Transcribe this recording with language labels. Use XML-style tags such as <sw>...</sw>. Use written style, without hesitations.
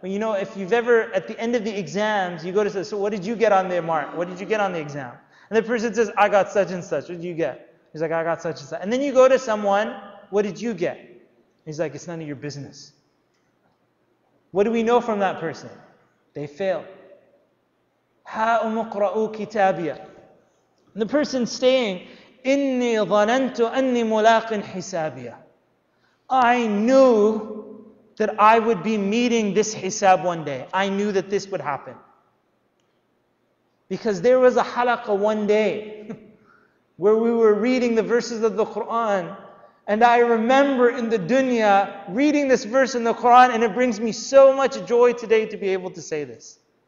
<en>Well, you know, if you've ever, at the end of the exams, you go to say, so what did you get on the mark? What did you get on the exam? And the person says, I got such and such. What did you get? He's like, I got such and such. And then you go to someone, what did you get? He's like, it's none of your business. What do we know from that person? They fail.</en> <ar>هَا أُمُقْرَأُوا كِتَابِيَ.</ar> <en>And the person staying,</en> <ar>إِنِّي ظَنَنْتُ أَنِّي مُلَاقٍ حِسَابِيَ.</ar> <en>I knew that I would be meeting this hisab one day. I knew that this would happen. Because there was a halaqa one day where we were reading the verses of the Quran, and I remember in the dunya reading this verse in the Quran, and it brings me so much joy today to be able to say this.</en>